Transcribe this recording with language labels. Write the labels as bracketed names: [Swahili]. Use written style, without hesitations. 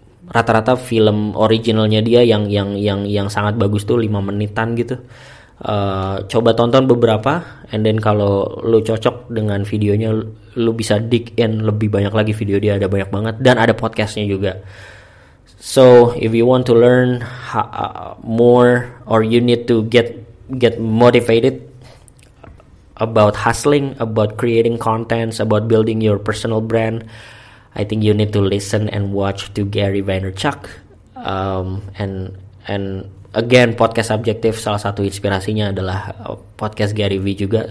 [Indonesian] Rata-rata film originalnya dia yang sangat bagus tuh 5 menitan gitu. Coba tonton beberapa, [English] and then [Indonesian] kalau lu cocok dengan videonya, lu bisa [English] dig in [Indonesian] lebih banyak lagi video dia, ada banyak banget, dan ada podcastnya juga. [English] So if you want to learn more, or you need to get motivated about hustling, about creating contents, about building your personal brand, I think you need to listen and watch to Gary Vaynerchuk. And again, podcast objective, [Indonesian] salah satu inspirasinya adalah podcast Gary V juga.